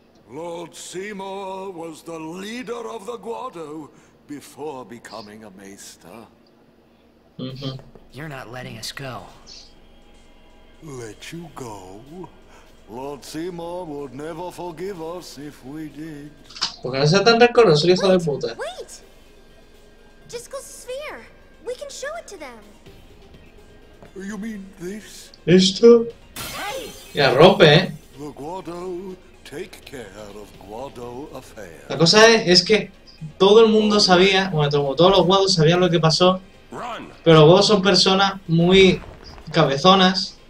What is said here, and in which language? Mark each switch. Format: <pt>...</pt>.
<en>Lord Seymour was the leader of the Guado before becoming a maester. You're not letting us go. Let you go? Lord Seymour would never forgive us if we did.</en> <es>¿Por qué no sea tan recorroso, hijo de puta?</es> <en>Wait. Disco's sphere. We can show it to them. You mean this?</en> <es>Esto.</es> <en>Hey.</en> <es>Ya rompe, ¿eh?</es> <en>The Guado take care of Guado affairs.</en> <es>La cosa es que todo el mundo sabía, bueno, todos los Guados sabían lo que pasó.</es> <en>Run.</en> <es>Pero los Guados son personas muy cabezonas.</es>